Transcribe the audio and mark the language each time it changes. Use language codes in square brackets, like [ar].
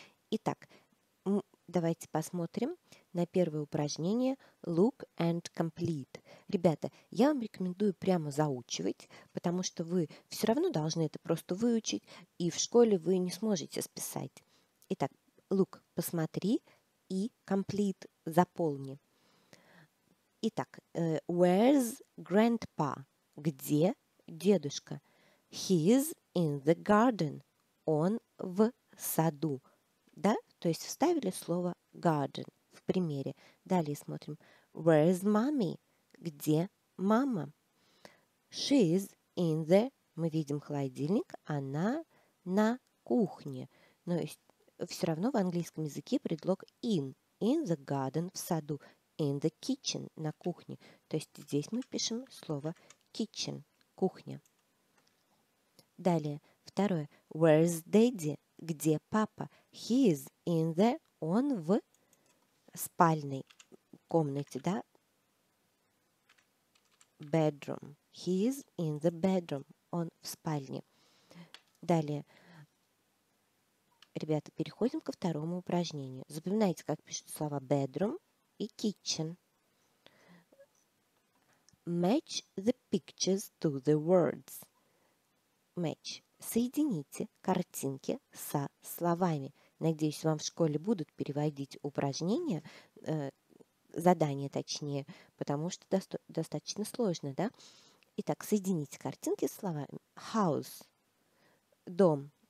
[ru] Итак, давайте посмотрим на первое упражнение [en] Look and Complete. [ru] Ребята, я вам рекомендую прямо заучивать, потому что вы все равно должны это просто выучить, и в школе вы не сможете списать. Итак, look, посмотри, и complete, заполни. [en] Итак, where's grandpa? [ru] Где дедушка? [en] He's in the garden. [ru] Он в саду. Да? То есть вставили слово garden в примере. Далее смотрим. [en] Where's mommy? [ru] Где мама? [en] She's in the... [ru] Мы видим холодильник. Она на кухне. То есть все равно в английском языке предлог in. [en] In the garden, [ru] в саду. [en] In the kitchen, [ru] на кухне. То есть здесь мы пишем слово kitchen, кухня. Далее, второе. [en] Where's daddy? [ru] Где папа? [en] He is in the... [ru] Он в спальной комнате, да? [en] Bedroom. He is in the bedroom. [ru] Он в спальне. Далее. Ребята, переходим ко второму упражнению. Запоминайте, как пишут слова bedroom и kitchen. [en] Match the pictures to the words. [ru] Match. Соедините картинки со словами. Надеюсь, вам в школе будут переводить упражнения, задания точнее, потому что достаточно сложно, да? Итак, соедините картинки со словами. House. Дом.